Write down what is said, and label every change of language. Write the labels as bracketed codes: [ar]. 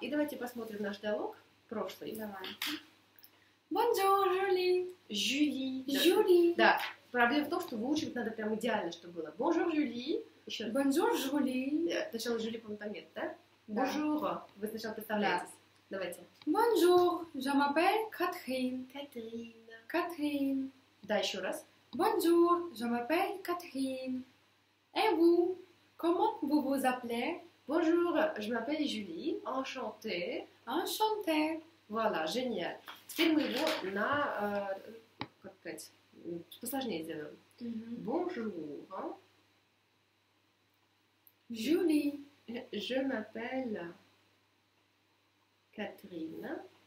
[ru] Et давайте посмотрим наш диалог прошлый. [fr] Давайте. Bonjour, Julie. Julie. Julie. [ru] Да. Проблема в том, что выучивать надо прям идеально, чтобы было. [fr] Bonjour, Julie. [ru] Еще раз. Bonjour, Julie. Да. Сначала Julie, по-моему, там нет, да? Да. [fr] Bonjour. [ru] Вы сначала представляетесь. Да. Давайте. [fr] Bonjour, je m'appelle Catherine. Catherine. Catherine. [ru] Да, еще раз. [fr] Bonjour, je m'appelle Catherine. Et vous? Comment vous vous appelez? Bonjour, je m'appelle Julie. Enchantée. Enchantée. Voilà, génial. [ru] Теперь мы его на, как сказать, посложнее сделаем. Mm-hmm. [fr] Bonjour. Julie. Je m'appelle Catherine.